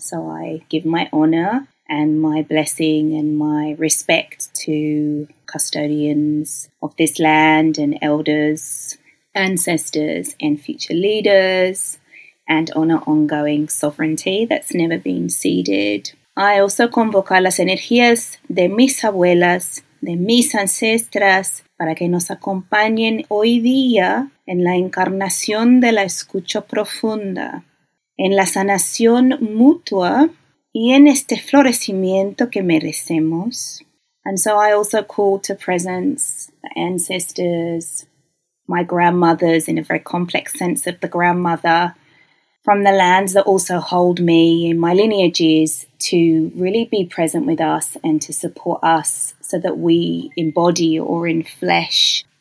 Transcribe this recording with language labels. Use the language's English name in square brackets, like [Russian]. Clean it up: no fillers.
[English] So I give my honour and my blessing and my respect to custodians of this land and elders, ancestors and future leaders, and honour ongoing sovereignty that's never been ceded. I also [Spanish] convoco las energías de mis abuelas, de mis ancestras, para que nos acompañen hoy día en la encarnación de la escucha profunda, en la sanación mutua, y en este florecimiento que merecemos. [English] And so I also call to presence the ancestors, my grandmothers in a very complex sense of the grandmother, from the lands that also hold me in my lineages, to really be present with us and to support us so that we embody or in flesh